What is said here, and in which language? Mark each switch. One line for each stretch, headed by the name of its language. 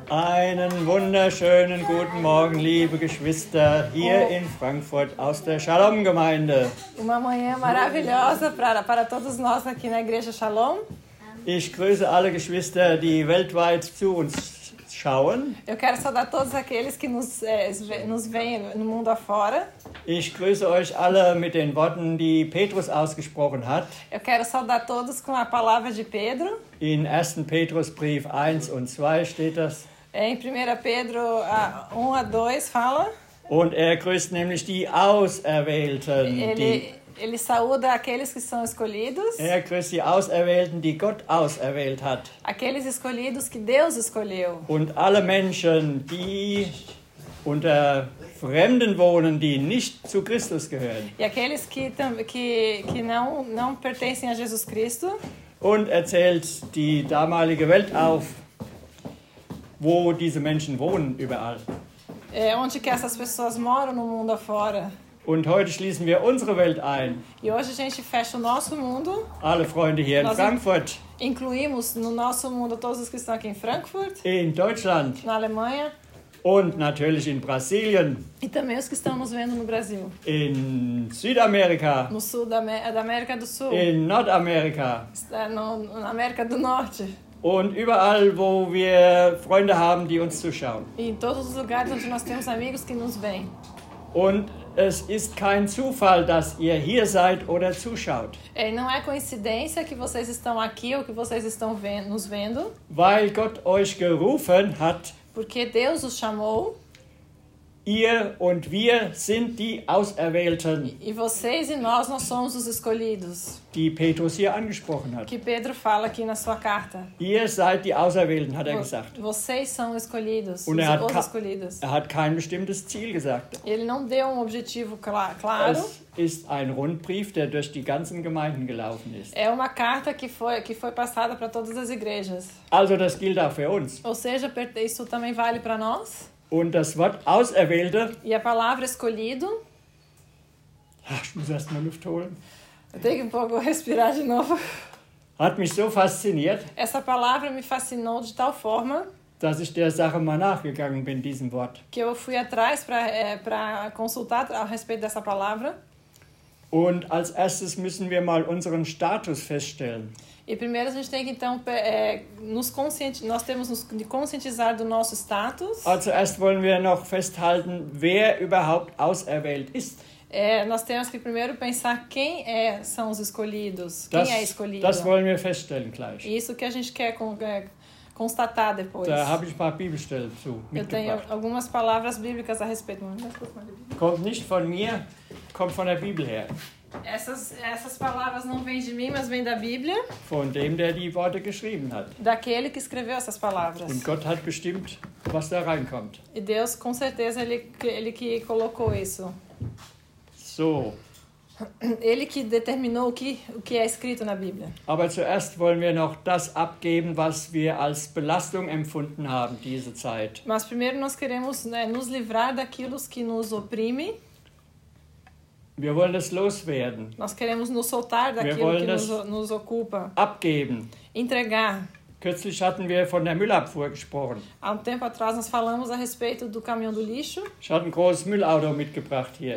German: Einen wunderschönen guten Morgen, liebe Geschwister, hier in Frankfurt aus der Shalom-Gemeinde.
Portuguese: Uma manhã maravilhosa para todos nós aqui na igreja Shalom.
German: Ich grüße alle Geschwister, die weltweit zu uns schauen.
Portuguese: Eu quero saudar todos aqueles que nos veem no mundo afora.
German: Ich grüße euch alle mit den Worten, die Petrus ausgesprochen hat.
Portuguese: Eu quero saudar todos com a palavra de Pedro.
German: In 1. Petrusbrief 1 und 2 steht das.
Portuguese: Em 1. Pedro 1 a 2 fala.
German: Und er grüßt nämlich die Auserwählten.
Portuguese: Ele saúda aqueles que são escolhidos.
German: Er grüßt die Auserwählten, die Gott auserwählt hat.
Portuguese: Aqueles escolhidos que Deus escolheu.
German: Und alle Menschen, die unter Fremden wohnen, die nicht zu Christus gehören.
Portuguese: E aqueles que não pertencem a Jesus Cristo.
German: Und erzählt die damalige Welt auf, wo diese Menschen wohnen überall.
Portuguese: É onde que essas pessoas moram no mundo afora.
German: Und heute schließen wir unsere Welt ein.
Portuguese: E hoje a gente fecha o nosso mundo.
German: Alle Freunde hier in Frankfurt.
Portuguese: Incluímos no nosso mundo todos os que estão aqui em Frankfurt.
German: In Deutschland.
Portuguese: Na Alemanha.
German: Und natürlich in Brasilien.
Portuguese: E também os que estamos vendo no Brasil.
German: In Südamerika.
Portuguese: No sul da América do Sul.
German: In Nordamerika.
Portuguese: Na América do Norte.
German: Und überall, wo wir Freunde haben, die uns zuschauen.
Portuguese: E em todos os lugares onde nós temos amigos que nos veem.
German: Und es ist kein Zufall, dass ihr hier seid oder zuschaut.
Portuguese: Não é coincidência que vocês estão aqui ou que vocês estão nos vendo.
German: Weil Gott euch gerufen hat.
Portuguese: Porque Deus os chamou.
German: Ihr und wir sind die Auserwählten.
Portuguese: E vocês e nós somos os escolhidos.
German: Die Petrus hier angesprochen hat.
Portuguese: Que Pedro fala aqui na sua carta.
German: Ihr seid die Auserwählten, hat er gesagt.
Portuguese: Vocês são escolhidos. Und os escolhidos.
German: Er hat kein bestimmtes Ziel gesagt.
Portuguese: Ele não deu objetivo claro.
German: Es ist ein Rundbrief, der durch die ganzen Gemeinden gelaufen ist.
Portuguese: É uma carta que foi passada para todas as igrejas.
German: Also das gilt auch für uns.
Portuguese: Ou seja, isso também vale para nós.
German: Und das Wort Auserwählte.
Portuguese: E a palavra escolhido.
German: Ach, ich muss erst mal Luft holen.
Portuguese: Eu tenho que um pouco respirar de novo.
German: Hat mich so fasziniert.
Portuguese: Essa palavra me fascinou de tal forma.
German: Dass ich der Sache mal nachgegangen bin, diesem Wort.
Portuguese: Que eu fui atrás para consultar a respeito dessa palavra.
German: Und als erstes müssen wir mal unseren Status feststellen.
Portuguese: E primeiro a gente tem que então nos conscientizar do nosso status.
German: Also erst wollen wir noch festhalten, wer überhaupt auserwählt ist.
Portuguese: Nós temos que primeiro pensar quem são os escolhidos, quem é escolhido.
German: Das wollen wir feststellen gleich.
Portuguese: Isso que a gente quer constatar depois.
German: Da habe ich ein paar Bibelstellen zu mitgebracht.
Portuguese: Eu tenho algumas palavras bíblicas a respeito.
German: Kommt nicht von mir, kommt von der Bibel her.
Portuguese: Essas palavras não vêm de mim, mas vêm da Bíblia.
German: Von dem, der die Worte geschrieben hat.
Portuguese: Daquele que escreveu essas palavras.
German: Und Gott hat bestimmt, was da reinkommt.
Portuguese: E Deus, com certeza, ele que colocou isso.
German: So.
Portuguese: Ele que determinou o que é escrito na Bíblia.
German: Aber zuerst wollen wir noch das abgeben, was wir als Belastung empfunden haben diese Zeit.
Portuguese: Mas primeiro nós queremos nos livrar daquilo que nos oprime.
German: Wir wollen es loswerden.
Portuguese: Nós queremos nos soltar daquilo que nos ocupa.
German: Abgeben.
Portuguese: Entregar.
German: Kürzlich hatten wir von der Müllabfuhr gesprochen.
Portuguese: Há um tempo atrás nós falamos a respeito do caminhão do lixo.
German: Ich hatte ein großes Müllauto mitgebracht hier.